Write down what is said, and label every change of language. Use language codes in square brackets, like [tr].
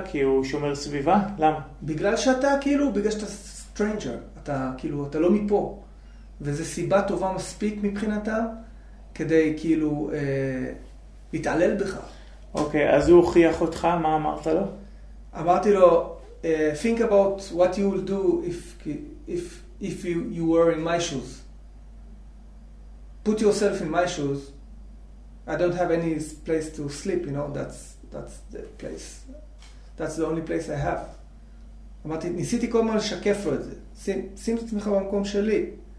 [he] כי הוא שומר סביבה? למה? בגלל שאתה כאילו, בגלל שאתה סטרנג'ר, אתה כאילו, אתה לא מפה. וזו סיבה טובה מספיק מבחינתה, כדי כאילו להתעלל בך. אוקיי, אז הוא הוכיח אותך, מה אמרת לו? אמרתי לו, [en] think about what you will do if you were in my shoes. Put yourself in my shoes. I don't have any place to sleep, you know, that's the place. That's the only place I have. [he] אמרתי, ניסיתי כל מה לשקף לו את זה. שים את עצמך במקום שלי.